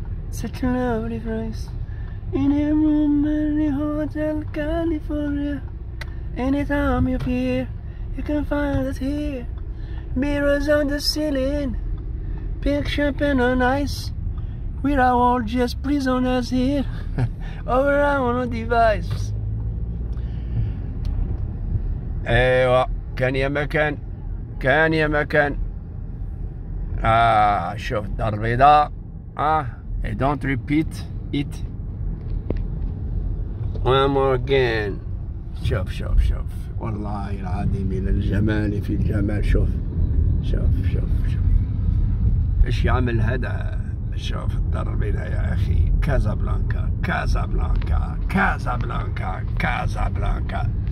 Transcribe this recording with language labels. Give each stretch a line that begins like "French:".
English: Such a lovely place. In a room in the Hotel California. Anytime you fear, you can find us here. Mirrors on the ceiling. Pink champagne on ice. We are all just prisoners here, over our own device.
Arabic: ايوا كان يا مكان كان يا مكان. شوف الدار البيضاء.
English: I don't repeat it one more again.
Arabic: شوف شوف شوف والله العظيم الى الجمال في الجمال. شوف شوف شوف شوف ايش يعمل هذا. شوف الدار البيضاء يا اخي. كازابلانكا كازابلانكا كازابلانكا كازابلانكا.